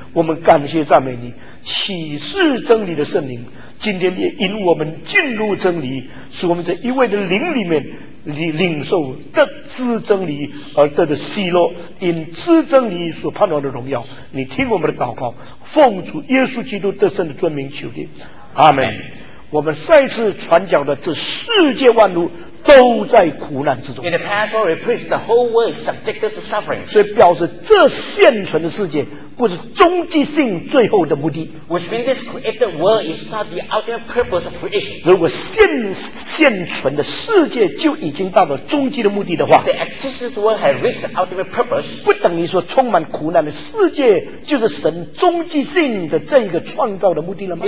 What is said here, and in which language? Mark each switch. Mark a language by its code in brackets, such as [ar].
[zh] 我们感谢赞美你，启示真理的圣灵今天也引我们进入真理，使我们在一位的灵里面领受得知真理而得的喜乐，因知真理所盼望的荣耀。你听我们的祷告，奉主耶稣基督得胜的尊名求的，阿们。我们再次传讲的这世界万物都在苦难之中。 [en] In the past, we preached the whole world subjected to suffering. [zh] 所以表示这现存的世界不是终极性最后的目的。 [en] Which means this created world is not the ultimate purpose of creation. [zh] 如果现存的世界就已经到了终极的目的的话 [en] ，If the existing world had reached the ultimate purpose, [zh] 不等于说充满苦难的世界就是神终极性的这个创造的目的了吗